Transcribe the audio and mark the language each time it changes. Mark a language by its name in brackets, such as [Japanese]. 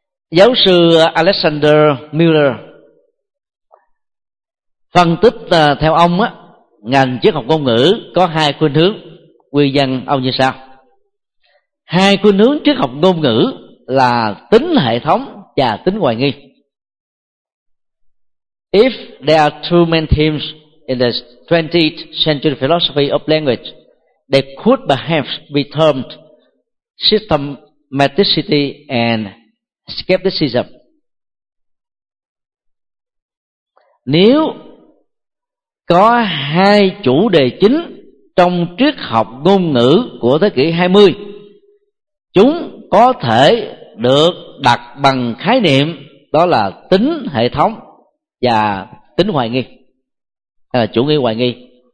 [Vietnamese] Giáo sư Alexander Miller phân tích theo ông á, ngành triết học ngôn ngữ có hai khuynh hướng. Nguyên nhân ông như sau: hai khuynh hướng triết học ngôn ngữ là tính hệ thống và tính hoài nghi. [English] If there are two main themes in the 20th century philosophy of language, they could perhaps be termed systematicity and skepticism. [Vietnamese] Nếu có hai chủ đề chính trong triết học ngôn ngữ của thế kỷ 20, chúng có thể được đặt bằng khái niệm đó là tính hệ thống và tính hoài nghi, hay là chủ nghĩa hoài nghi.